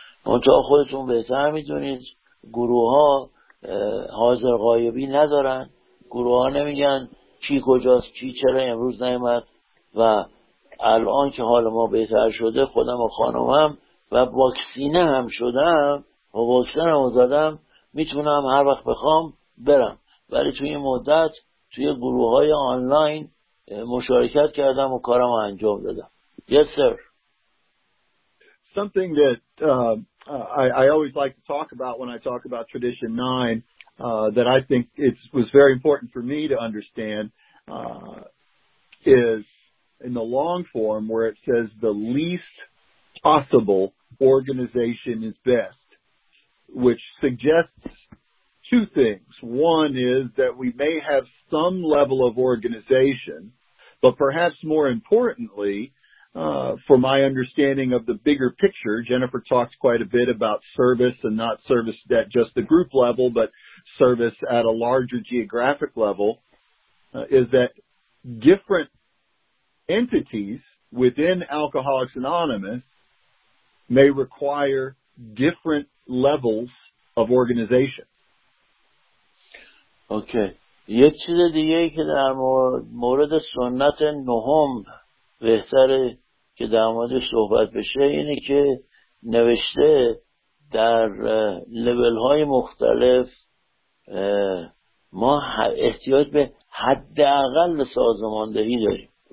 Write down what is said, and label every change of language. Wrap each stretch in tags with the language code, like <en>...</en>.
<fa>منتها خودتون بهتر میدونید گروه ها حاضر غایبی ندارن، گروه ها نمیگن چی کجاست، چی چرا امروز نیومد، و الان که حال ما بهتر شده خودم و خانومم و واکسینه هم شدم و واکسن هم زدم میتونم هر وقت بخوام برم، ولی توی این مدت توی گروه های آنلاین مشارکت کردم و کارم رو انجام دادم.</fa> <en>Yes, sir. Something that I always like to talk about when I talk about Tradition 9 that I think it was very important for me to understand is in the long form where it says the least possible organization is best, which suggests two things. One is that we may have some level of organization, but perhaps more importantly, for my understanding of the bigger picture, Jennifer talks quite a bit about service and not service at just the group level, but service at a larger geographic level, is that different entities within Alcoholics Anonymous may require different levels of organization. Okay.</en> <fa>یک چیز دیگه که در مورد سنت نهم بهتره که در موردش صحبت بشه اینه که نوشته در لیول های مختلف ما احتیاج به حداقل سازماندهی داریم.</fa>